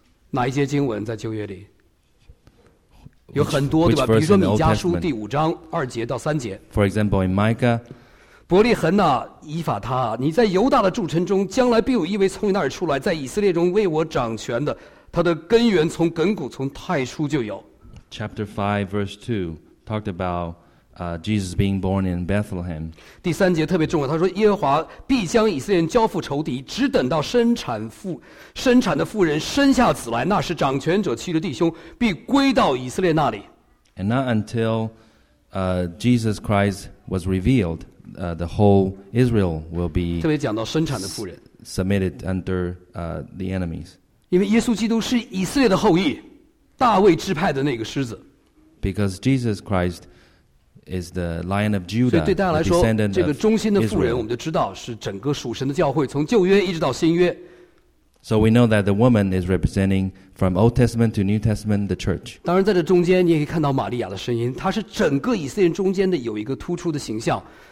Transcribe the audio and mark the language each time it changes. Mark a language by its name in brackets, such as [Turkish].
[Chinese] 哪一节经文在旧约里？有很多对吧？比如说米迦书第五章二节到三节。 [English] For example, in Micah. [Chinese] 伯利恒啊，以法他，你在犹大的筑城中，将来必有一位从你那儿出来，在以色列中为我掌权的。他的根源从亘古，从太初就有。 [English] Chapter 5, verse 2 talked about Jesus being born in Bethlehem. [Chinese] 第三节特别重要，他说耶和华必将以色列人交付仇敌，只等到生产的妇人生下子来，那时掌权者其余的弟兄必归到以色列那里。 [English] And not until Jesus Christ was revealed. The whole Israel will be [Chinese] 特别讲到生产的妇人 [English] submitted under the enemies. [Chinese] 因为耶稣基督是以色列的后裔，大卫支派的那个狮子。 [English] Because Jesus Christ is the Lion of Judah. [Chinese] 所以对大家来说， [English] the descendant [Chinese] 这个中心的妇人，我们就知道是整个属神的教会，从旧约一直到新约。 [English] So we know that the woman is representing from Old Testament to New Testament the church. [Chinese] 当然，在这中间你也可以看到玛利亚的声音，她是整个以色列中间的有一个突出的形象。